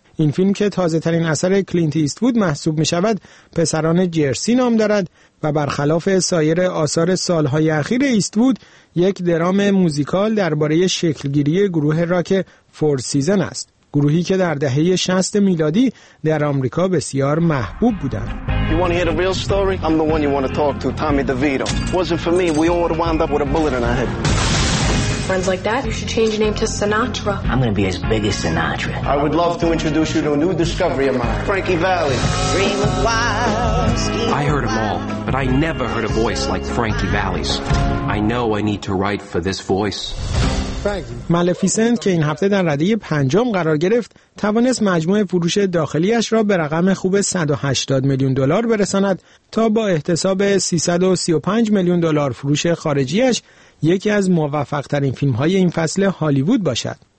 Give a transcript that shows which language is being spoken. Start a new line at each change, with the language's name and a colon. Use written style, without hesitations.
Persian: این فیلم که تازه ترین اثر کلینت ایستوود محسوب می شود پسران جرسی نام دارد و برخلاف سایر آثار سالهای اخیر ایستوود یک درام موزیکال درباره شکلگیری گروه راک فور سیزن است، گروهی که در دهه 60 میلادی در آمریکا بسیار محبوب بودند.
English: You want to hear the real story? I'm the one you want to talk to, Tommy DeVito. Wasn't for me, we all would have wound up with a bullet in our head. Friends like that, you should change your name to Sinatra. I'm going to be as big as Sinatra. I would love to introduce you to a new discovery of mine, Frankie Valli. Dream of wild, I heard them all, but I never heard a voice like Frankie Valli's. I know I need to write for this voice.
Persian: مالفیسنت که این هفته در رده پنجم قرار گرفت توانست مجموع فروش داخلیش را به رقم خوب 180 میلیون دلار برساند تا با احتساب 335 میلیون دلار فروش خارجیش یکی از موفق ترین فیلم های این فصل هالیوود باشد.